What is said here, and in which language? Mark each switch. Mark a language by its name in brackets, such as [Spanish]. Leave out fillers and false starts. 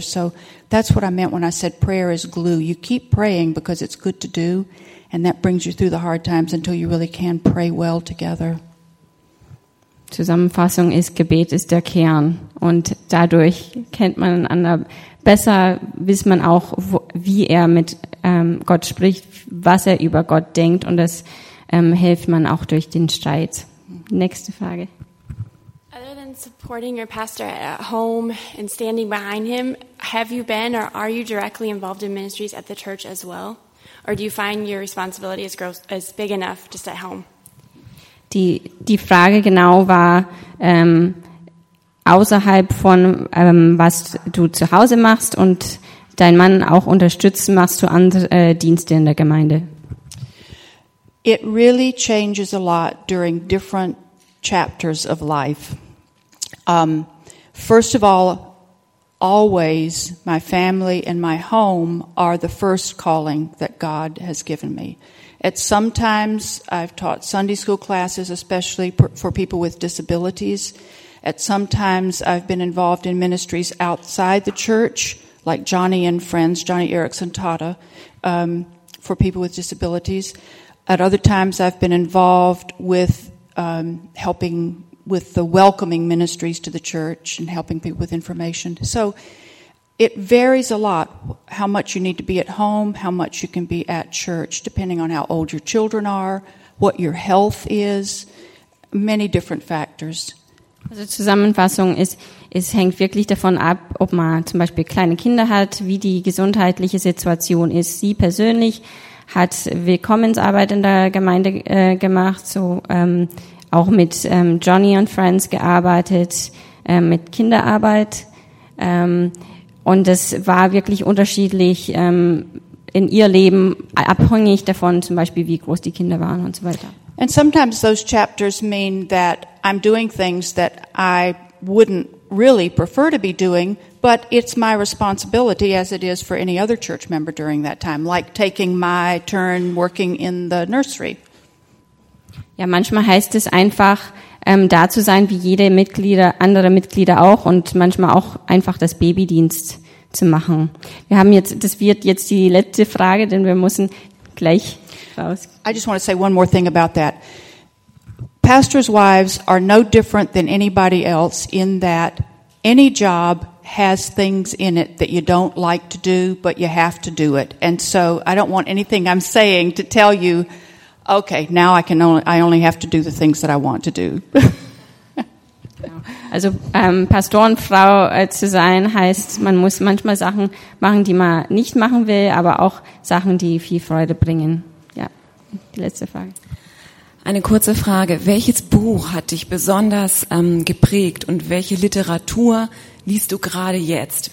[English] So that's what I meant when I said prayer is glue. You keep praying because it's good to do, and that brings you through the hard times until you really can pray well together. [German] Zusammenfassung ist, Gebet ist der Kern und dadurch kennt man einander besser, weiß man auch, wie er mit Gott spricht, was er über Gott denkt und das hilft man auch durch den Streit. Nächste Frage. [English] Other than supporting your pastor at home and standing behind him, have you been or are you directly involved in ministries at the church as well? Or do you find your responsibility as big enough just at home? [German] Die Frage genau war, außerhalb von was du zu Hause machst und deinen Mann auch unterstützt, machst du andere Dienste in der Gemeinde? [English] It really changes a lot during different chapters of life. First of all, always my family and my home are the first calling that God has given me. At some times, I've taught Sunday school classes, especially for people with disabilities. At some times, I've been involved in ministries outside the church, like Johnny and Friends, Johnny Erickson Tata, for people with disabilities. At other times, I've been involved with helping with the welcoming ministries to the church and helping people with information. So it varies a lot how much you need to be at home, how much you can be at church, depending on how old your children are, what your health is, many different factors. [German] Also Zusammenfassung ist, es hängt wirklich davon ab, ob man zum Beispiel kleine Kinder hat, wie die gesundheitliche Situation ist. Sie persönlich hat Willkommensarbeit in der Gemeinde gemacht, so auch mit Johnny and Friends gearbeitet, mit Kinderarbeit. Und es war wirklich unterschiedlich in ihr Leben, abhängig davon zum Beispiel, wie groß die Kinder waren und so weiter. [English] And sometimes those chapters mean that I'm doing things that I wouldn't really prefer to be doing, but it's my responsibility as it is for any other church member during that time, like taking my turn working in the nursery. [German] Ja, manchmal heißt es einfach, da zu sein, wie jede Mitglieder, andere Mitglieder auch, und manchmal auch einfach das Babydienst zu machen. Wir haben jetzt, das wird jetzt die letzte Frage, denn wir müssen gleich. [English] I just want to say one more thing about that. Pastors' wives are no different than anybody else in that any job has things in it that you don't like to do, but you have to do it. And so I don't want anything I'm saying to tell you, okay, now I only have to do the things that I want to do. [German] Also Pastorenfrau zu sein heißt, man muss manchmal Sachen machen, die man nicht machen will, aber auch Sachen, die viel Freude bringen. Die letzte Frage. Eine kurze Frage. Welches Buch hat dich besonders geprägt und welche Literatur liest du gerade jetzt?